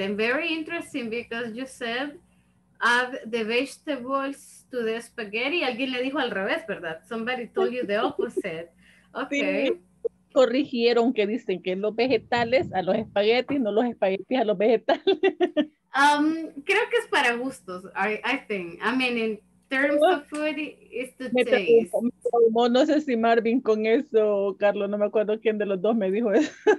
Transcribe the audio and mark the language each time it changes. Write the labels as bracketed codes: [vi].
[en] And very interesting because you said add the vegetables to the spaghetti. [es] Alguien le dijo al revés, ¿verdad? [en] Somebody told you the opposite. Okay. [es] Sí, corrigieron que dicen que los vegetales a los espaguetis, no los espaguetis a los vegetales. Creo que es para gustos, [en] I think. I mean, in terms of food, it's to taste. [es] Como, no sé si Marvin con eso, o Carlos, no me acuerdo quién de los dos me dijo eso.